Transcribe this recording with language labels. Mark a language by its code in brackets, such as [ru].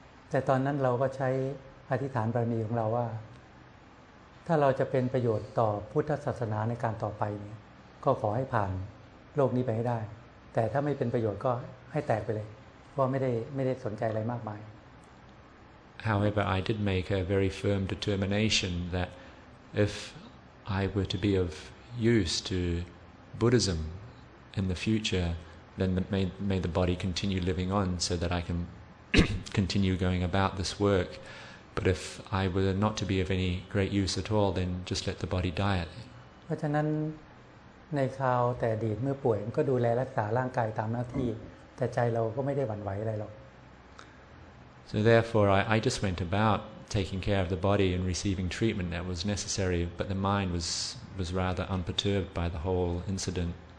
[th] แต่ตอนนั้นเราก็ใช้อธิษฐานบารมีของเราว่าถ้าเราจะเป็นประโยชน์ต่อพุทธศาสนาในการต่อไปเนี่ยก็ขอให้ผ่านโลกนี้ไปให้ได้แต่ถ้าไม่เป็นประโยชน์ก็ให้แตกไปเลยเพราะไม่ได้สนใจอะไรมากมาย [en] However I did make a very firm determination that if I were to be of use to Buddhism in the future then may the body continue living on so that I can continue going about this work but if I were not to be of any great use at all then just let the body die [th] เพราะฉะนั้นในคราวแต่อดีตเมื่อป่วยก็ดูแลรักษาร่างกายตามหน้าที่แต่ใจเราก็ไม่ได้หวั่นไหวอะไรหรอก [en] So therefore I just went about taking care of the body and receiving treatment that was necessary but the mind was rather unperturbed by the whole incident